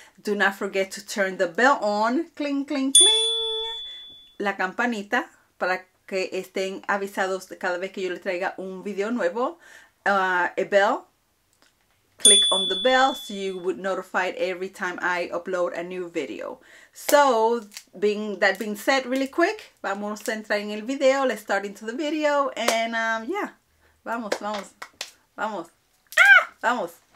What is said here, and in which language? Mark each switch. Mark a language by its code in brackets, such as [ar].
[en] Do not forget to turn the bell on. Cling, cling, cling. [es] La campanita para que estén avisados cada vez que yo le traiga un video nuevo. [en] A bell. Click on the bell so you would notify every time I upload a new video. So, that being said, really quick, [es] vamos a entrar en el video. [en] Let's start into the video. And, yeah. [es] Vamos, vamos. Vamos. Ah! Vamos.